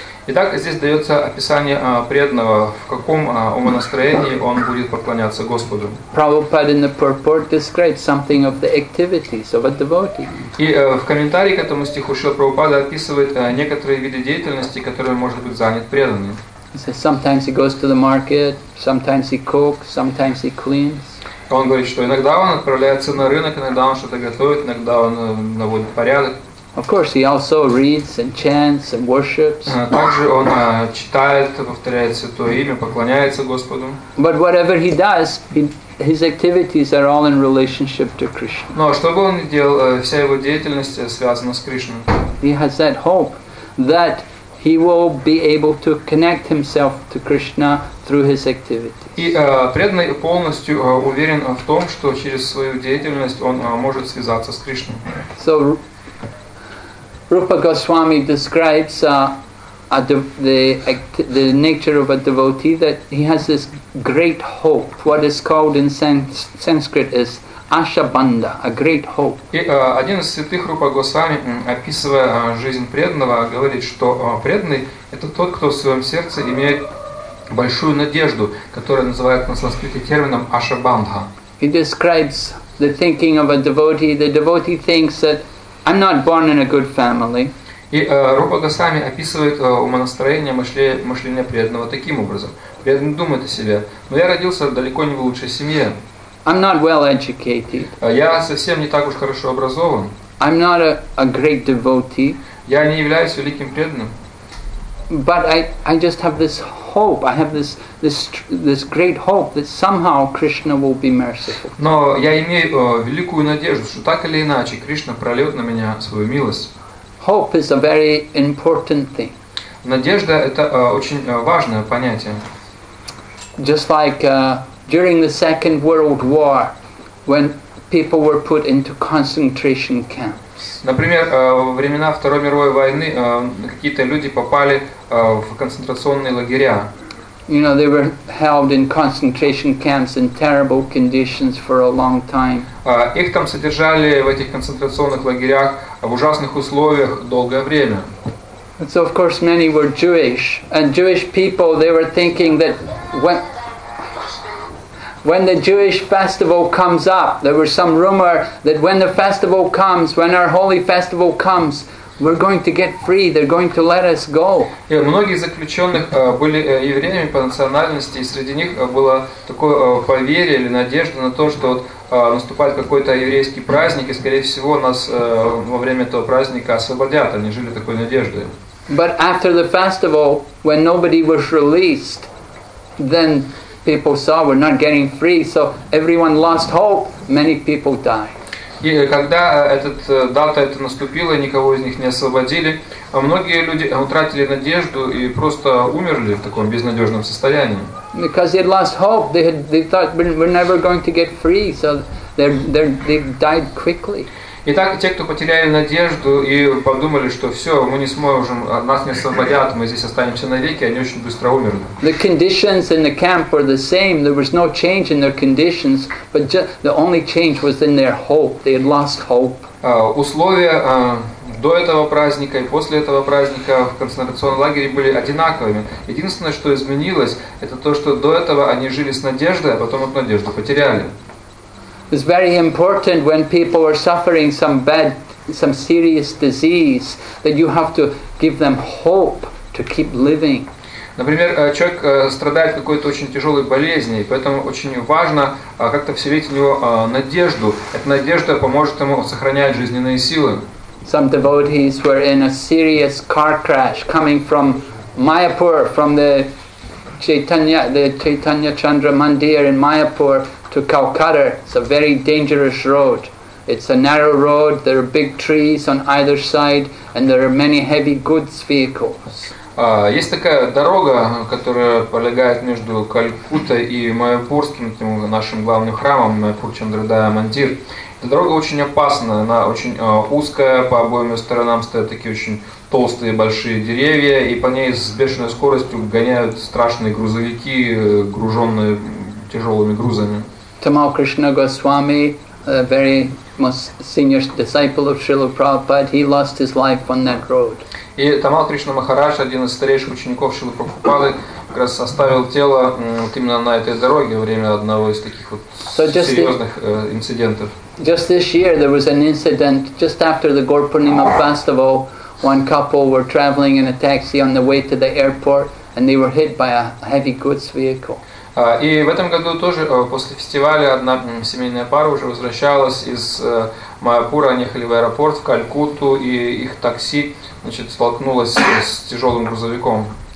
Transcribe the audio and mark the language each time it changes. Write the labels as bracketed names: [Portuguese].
[Russian] Итак, здесь дается описание преданного, в каком умонастроении он будет поклоняться Господу. [English] Prabhupada in the purport describes something of the activities of a devotee. [Russian] И в комментарии к этому стиху Шрила Прабхупада описывает некоторые виды деятельности, которые может быть занят преданным. [English] He says sometimes he goes to the market, sometimes he cooks, sometimes he cleans. [Russian] Он говорит, что иногда он отправляется на рынок, иногда он что-то готовит, иногда он наводит порядок. [English] Of course, he also reads and chants and worships. [Russian] Также он читает, повторяет Святое Имя, поклоняется Господу. [English] But whatever he does, his activities are all in relationship to Krishna. [Russian] Но что бы он ни делал, вся его деятельность связана с Кришной. [English] He has that hope that he will be able to connect himself to Krishna through his activities. [Russian] И преданный полностью уверен в том, что через свою деятельность он может связаться с Кришной. [English] So Rupa Goswami describes the nature of a devotee that he has this great hope. What is called in Sanskrit is Ашабанда, a great hope. [Russian] И один из святых Рупа Госвами, описывая жизнь преданного, говорит, что преданный – это тот, кто в своем сердце имеет большую надежду, которая называется на санскрите термином Ашабандха. [English] He describes the thinking of a devotee. The devotee thinks that I'm not born in a good family. [Russian] И Рупа Госвами описывает умонастроение, мышление преданного таким образом. Преданный думает о себе, но я родился далеко не в лучшей семье. [English] I'm not well educated. [Russian] Я совсем не так уж хорошо образован. [English] I'm not a great devotee. [Russian] Я не являюсь великим преданным. [English] But I just have this hope. I have this great hope that somehow Krishna will be merciful. [Russian] Но я имею великую надежду, что так или иначе Кришна прольет на меня свою милость. [English] Hope is a very important thing. [Russian] Надежда это очень важное понятие. [English] Just like during the Second World War, when people were put into concentration camps. [Russian] Например, во времена Второй мировой войны какие-то люди попали в концентрационные лагеря. [English] You know, they were held in concentration camps in terrible conditions for a long time. [Russian] Их там содержали в этих концентрационных лагерях в ужасных условиях долгое время. [English] And so, of course, many were Jewish, and Jewish people, they were thinking that when when the Jewish festival comes up, there was some rumor that when the festival comes, when our holy festival comes, we're going to get free, they're going to let us go. [Russian] Многие заключенных были евреями по национальности, и среди них было такое поверье или надежда на то, что наступает какой-то еврейский праздник, и скорее всего нас во время этого праздника освободят, они жили такой надеждой. [English] But after the festival, when nobody was released, then people saw we're not getting free, so everyone lost hope, many people died. [Russian] И когда эта дата наступила, никого из них не освободили, многие люди утратили надежду и просто умерли в таком безнадежном состоянии. [English] Because they lost hope, they thought we're never going to get free, so they died quickly. [Russian] Итак, те, кто потеряли надежду и подумали, что все, мы не сможем, нас не освободят, мы здесь останемся навеки, они очень быстро умерли. [English] The conditions in the camp were the same. There was no change in their conditions, but the only change was in their hope. They had lost hope. [Russian] Условия до этого праздника и после этого праздника в концентрационном лагере были одинаковыми. Единственное, что изменилось, это то, что до этого они жили с надеждой, а потом эту надежду потеряли. [English] It's very important when people are suffering some serious disease that you have to give them hope to keep living. [Russian] Например, человек страдает какой-то очень тяжелой болезнью, поэтому очень важно как-то вселить в него надежду. Эта надежда поможет ему сохранять жизненные силы. [English] Some devotees were in a serious car crash coming from Mayapur, from the Chaitanya Chandra Mandir in Mayapur. To Calcutta, it's a very dangerous road. It's a narrow road. There are big trees on either side, and there are many heavy goods vehicles. [Russian] Есть такая дорога, которая пролегает между Калькуттой и Майяпурским нашим главным храмом Майяпур Чандрадая Мандир. Эта дорога очень опасна. Она очень узкая. По обоим сторонам стоят такие очень толстые большие деревья, и по ней с бешеной скоростью гоняют страшные грузовики, груженные тяжелыми грузами. [English] Tamal Krishna Goswami, a very most senior disciple of Srila Prabhupada, he lost his life on that road. [Russian] И Тамал Кришна Махарадж, один из старейших учеников Шрилы Прабхупады, как раз оставил тело именно на этой дороге во время одного из таких вот серьезных инцидентов. [English] Just this year there was an incident just after the Gaur Purnima festival. One couple were traveling in a taxi on the way to the airport, and they were hit by a heavy goods vehicle. [Russian] И в этом году тоже после фестиваля одна семейная пара уже возвращалась из Майяпура, они ехали в аэропорт в Калькутту, и их такси, значит, столкнулось с тяжелым грузовиком.